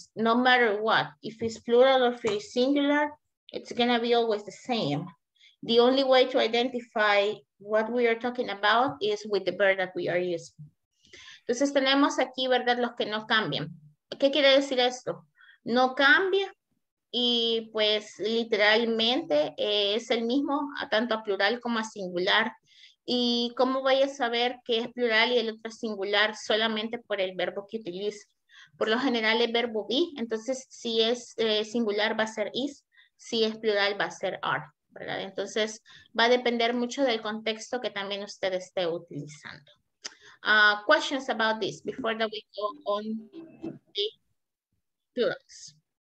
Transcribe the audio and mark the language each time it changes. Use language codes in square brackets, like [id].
[en] No matter what, if it's plural or if it's singular, it's gonna be always the same. The only way to identify what we are talking about is with the verb that we are using. [es] Entonces tenemos aquí, ¿verdad? Los que no cambian. ¿Qué quiere decir esto? No cambia y pues literalmente es el mismo tanto a plural como a singular. ¿Y cómo voy a saber que es plural y el otro es singular? Solamente por el verbo que utilizo. Por lo general es verbo be, entonces si es singular va a ser is, si es plural va a ser are, ¿verdad? Entonces va a depender mucho del contexto que también usted esté utilizando. [en] Questions about this before that we go on the plurals.